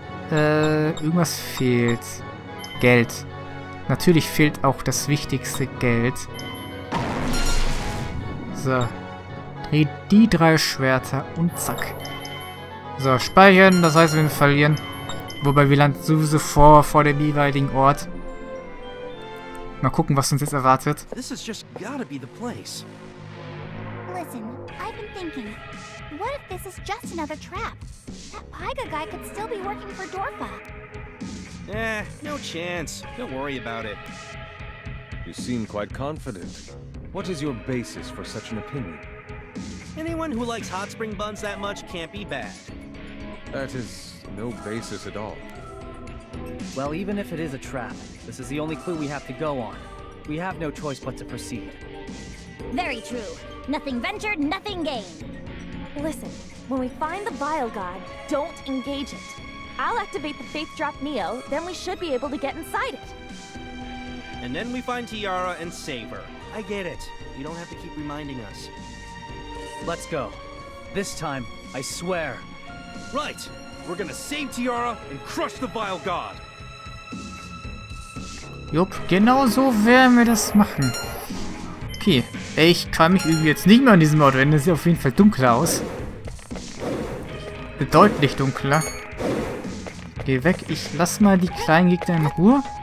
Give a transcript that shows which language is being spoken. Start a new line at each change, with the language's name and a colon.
German: Irgendwas fehlt. Geld. Natürlich fehlt auch das wichtigste Geld. So. Dreh die 3 Schwerter und zack. So, speichern. Das heißt, wir verlieren. Wobei wir landen sowieso vor dem jeweiligen Ort. Mal gucken, was uns jetzt erwartet.
English: This is just gotta be the place. Listen, I've been thinking. What if this is just another trap? That Paiga guy could still be working for Dorfa. Eh, no chance. Don't worry about it. You seem quite confident. What is your basis for such an opinion? Anyone who likes hot spring buns that much can't be bad. That is no basis at all. Well, even if it is a trap, this is the only clue we have to go on. We have no choice but to proceed. Very true. Nothing ventured, nothing gained. Listen, when we find the Bile God, don't engage it. I'll activate the Faith Drop Neo, then we should be able to get inside it. And then we find Tiara and save her. I get it. You don't have to keep reminding us. Let's go. This time, I swear. Right. We're gonna save Tiara and crush the Vile God.
German: Jupp, genau so werden wir das machen. Okay, ich kann mich irgendwie jetzt nicht mehr an diesem Ort wenden. Es sieht auf jeden Fall dunkler aus. Deutlich dunkler. Geh weg, ich lass mal die kleinen Gegner in Ruhe.